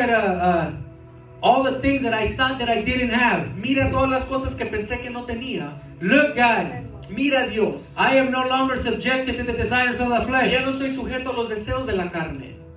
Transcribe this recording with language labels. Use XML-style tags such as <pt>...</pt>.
<en>Look at all the things that I thought that I didn't have.</en> <es>Mira todas las cosas que pensé que no tenía.</es> <en>Look God.</en> <es>Mira Dios.</es> <en>I am no longer subjected to the desires of the flesh.</en> <es>Ya no estoy sujeto a los deseos de la carne.</es>